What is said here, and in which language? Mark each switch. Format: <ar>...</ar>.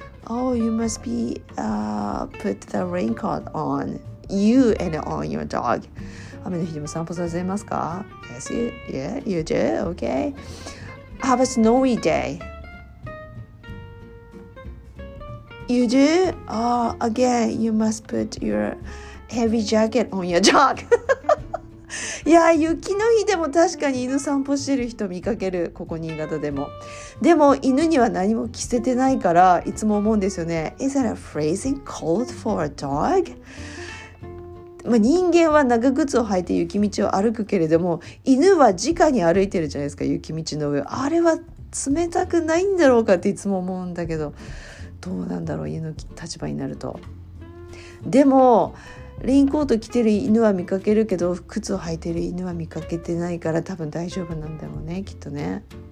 <en>Oh, you must be put the raincoat on you and on your dog.</en> <ja>雨の日でも散歩させますか?</ja> <en>Yes, you do, okay. Have a snowy day. You do? Oh, again, you must put your heavy jacket on your dog.</en> <ja>いや、雪の日でも確かに犬散歩してる人見かける、ここ新潟でも。でも犬には何も着せてないからいつも思うんですよね。</ja> <en>Is that a freezing cold for a dog?</en> <ja>まあ人間は長靴を履いて雪道を歩くけれども、犬は直に歩いてるじゃないですか、雪道の上。あれは冷たくないんだろうかっていつも思うんだけど。どうなんだろう、犬の立場になると。でもレインコート着てる犬は見かけるけど、靴を履いてる犬は見かけてないから多分大丈夫なんだろうね、きっとね。</ja>